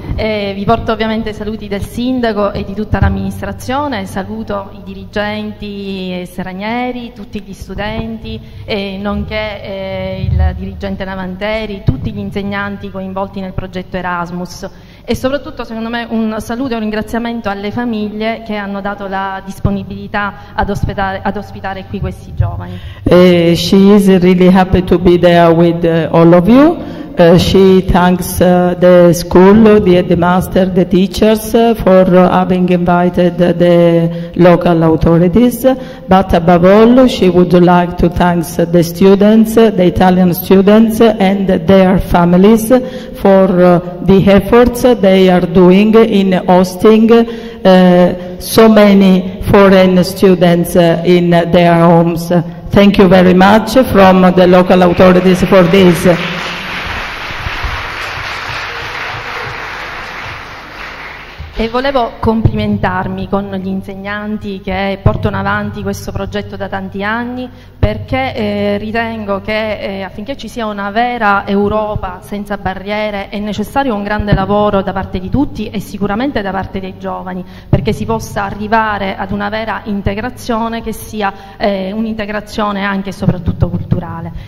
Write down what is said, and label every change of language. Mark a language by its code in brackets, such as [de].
[it] E vi porto ovviamente i saluti del sindaco e di tutta l'amministrazione, saluto i dirigenti stranieri, tutti gli studenti, nonché il dirigente Lavanteri, tutti gli insegnanti coinvolti nel progetto Erasmus. E soprattutto, secondo me, un saluto e un ringraziamento alle famiglie che hanno dato la disponibilità ad ospitare qui questi giovani. [en] She is really happy to be there with all of you. She thanks the school, the headmaster, the teachers for having invited the local authorities, but above all she would like to thank the students, the Italian students and their families for the efforts they are doing in hosting so many foreign students in their homes. Thank you very much from the local authorities for this. [it] E volevo complimentarmi con gli insegnanti che portano avanti questo progetto da tanti anni, perché ritengo che affinché ci sia una vera Europa senza barriere è necessario un grande lavoro da parte di tutti e sicuramente da parte dei giovani, perché si possa arrivare ad una vera integrazione che sia un'integrazione anche e soprattutto culturale.